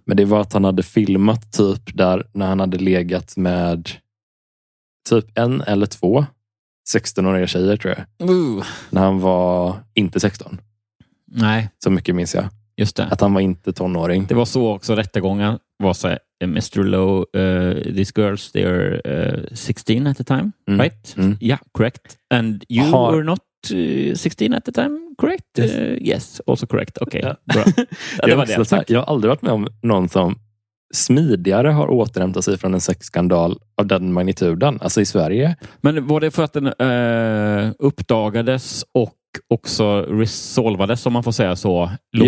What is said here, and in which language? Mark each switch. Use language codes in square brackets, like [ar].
[sv] Men det var att han hade filmat typ där när han hade legat med typ en eller två 16-åriga tjejer, tror jag. När han var inte 16. Nej. Så mycket minns jag. Just det. Att han var inte tonåring. Det var så också rättegången var så här. [en] Mr. Low, these girls, they are 16 at the time, right? Mm. Yeah, correct. And you were not 16 at the time, correct? Yes, also correct. [sv] Okay, bra. Jag har aldrig varit med om någon som smidigare har återhämtat sig från en sexskandal av den magnituden, alltså i Sverige. Men var det för att den uppdagades och också resolvades, som man får säga så, långt